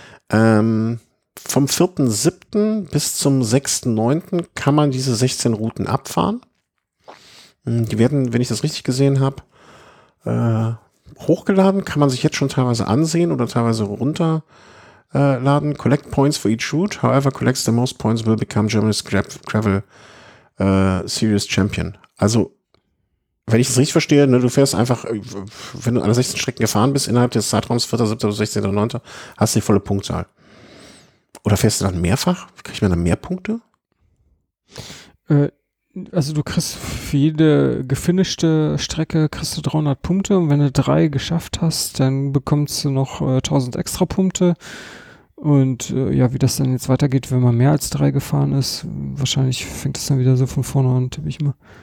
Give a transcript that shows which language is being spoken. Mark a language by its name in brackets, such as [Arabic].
[German] Vom 4.7. bis zum 6.9. kann man diese 16 Routen abfahren. Die werden, wenn ich das richtig gesehen habe, hochgeladen, kann man sich jetzt schon teilweise ansehen oder teilweise runterladen. [English] Collect points for each route. However, collects the most points will become Germany's Gravel Series Champion. [German] Also, wenn ich das richtig verstehe, ne, du fährst einfach, wenn du alle 16 Strecken gefahren bist innerhalb des Zeitraums 4.7. bis 16.9., hast du die volle Punktzahl. Oder fährst du dann mehrfach? Kriege ich mir dann mehr Punkte? Also du kriegst für jede gefinischte Strecke kriegst du 300 Punkte und wenn du drei geschafft hast, dann bekommst du noch 1000 extra Punkte und ja, wie das dann jetzt weitergeht, wenn man mehr als drei gefahren ist, wahrscheinlich fängt es dann wieder so von vorne an, tippe ich mal.